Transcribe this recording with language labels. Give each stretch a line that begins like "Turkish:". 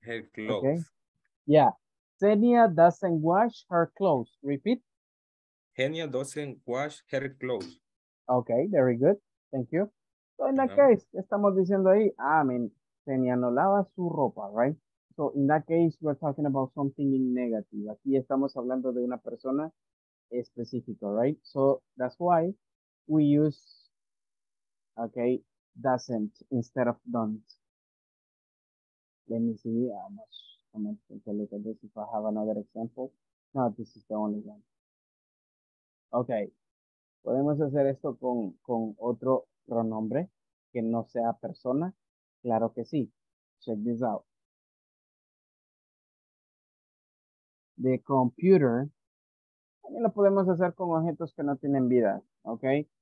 English: Okay. Yeah. Xenia doesn't wash her clothes. Repeat. Xenia doesn't wash her clothes. Okay, very good. Thank you. So in that case,
Spanish: estamos diciendo ahí, Xenia no lava su ropa,
English: right? So in that case, we're talking about something in negative.
Spanish: Aquí estamos hablando de una persona específico,
English: right? So that's why we use, okay, doesn't instead of don't. Let me see how much I can look at this if I have another example. No, this is the only one. Okay.
Spanish: Podemos hacer esto con otro pronombre que no sea persona. Claro que sí.
English: Check this out. The computer.
Spanish: También lo podemos hacer con objetos que no tienen vida, ¿ok?